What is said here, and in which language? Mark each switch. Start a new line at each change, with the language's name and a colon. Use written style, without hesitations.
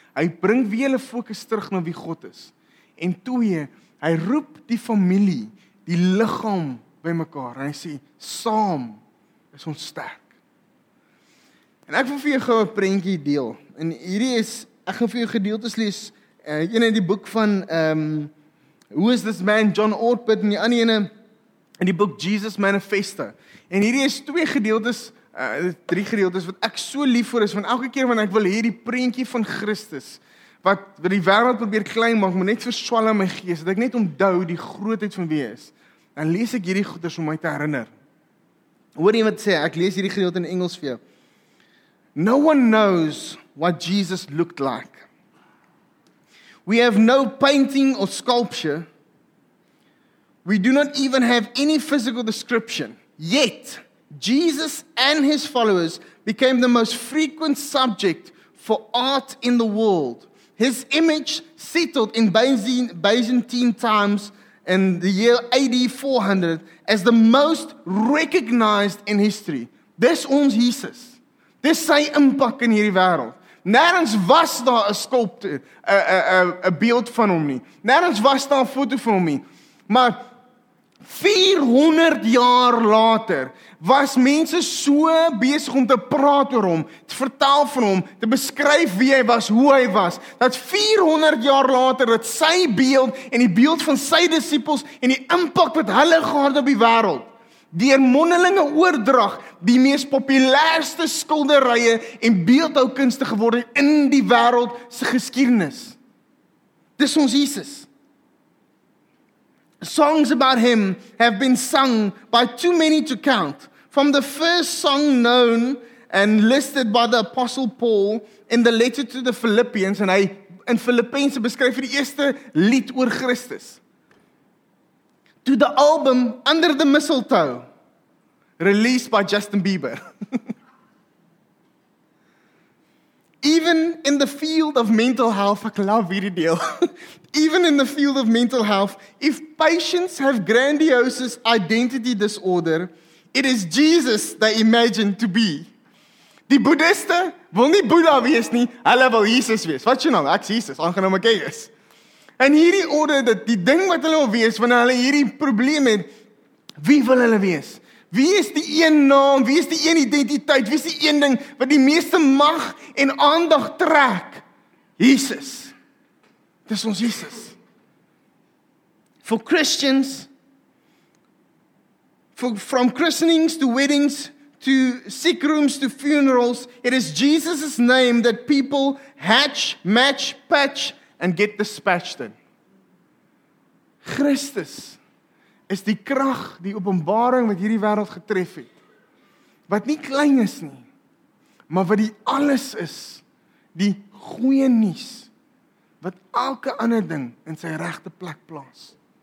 Afrikaans: Hy bring weer hulle fokus terug na wie God is. En twee, hy roep die familie, die liggaam by mekaar. En hy sê, saam is ons sterk. En ek wil vir jou gou 'n prentjie deel. En hierdie is, ek gaan vir jou gedeeltes lees. Een in die boek van Who is this man? John Ortberg. En die ander ene in die boek Jesus Manifesto. En hierdie is twee gedeeltes, drie gedeeltes wat ek so lief voor is. Want elke keer wanneer ek wil hierdie prentjie van Christus, wat die wêreld probeer klein maak, maar net verswal in my gees, dat ek net onthou die grootheid van wie hy is. Dan lees ek hierdie goeders om my te herinner. Hoor jy wat sê? Ek lees hierdie gedeelte in Engels vir jou.
English: No one knows what Jesus looked like. We have no painting or sculpture. We do not even have any physical description. Yet, Jesus and his followers became the most frequent subject for art in the world. His image settled in Byzantine times in the year AD 400 as the most recognized in history.
Afrikaans: Dis ons Jesus. Dis sy impak in hierdie wêreld. Nêrens was daar 'n skulptuur, 'n beeld van hom nie. Nêrens was daar 'n foto van hom nie. Maar 400 jaar later was mense so besig om te praat oor hom, te vertel van hom, te beskryf wie hy was, hoe hy was, dat 400 jaar later dat sy beeld en die beeld van sy disippels en die impak wat hulle gehad op die wêreld deur mondelinge oordrag die mees populairste skilderye en beeldhoukunste geword het in die wêreld se geskiedenis. Dis ons Jesus.
English: Songs about him have been sung by too many to count, from the first song known and listed by the Apostle Paul in the letter to the Philippians, and
Afrikaans: hy in Filippense beskryf die eerste lied oor Christus,
English: to the album Under the Mistletoe, released by Justin Bieber. Even in the field of mental health,
Afrikaans: ek love hierdie deel.
English: Even in the field of mental health, if patients have grandiose identity disorder, it is Jesus they imagine to be.
Afrikaans: Die boeddhiste wil nie Boeddha wees nie, hulle wil Jesus wees. Wat is jou naam? Ek is Jesus, aangenaam ek is. En hierdie orde, die ding wat hulle wil wees, wanneer hulle hierdie probleem het, wie wil hulle wees? Wie is die een naam, wie is die een identiteit, wie is die een ding wat die meeste mag en aandag trek? Jesus. Dis ons Jesus.
English: For Christians, from christenings to weddings, to sick rooms to funerals, it is Jesus' name that people hatch, match, patch, and get dispatched in.
Afrikaans: Christus is die krag, die openbaring wat hierdie wêreld getref het, wat nie klein is nie, maar wat die alles is, die goeie nuus, wat elke ander ding in sy regte plek plaas.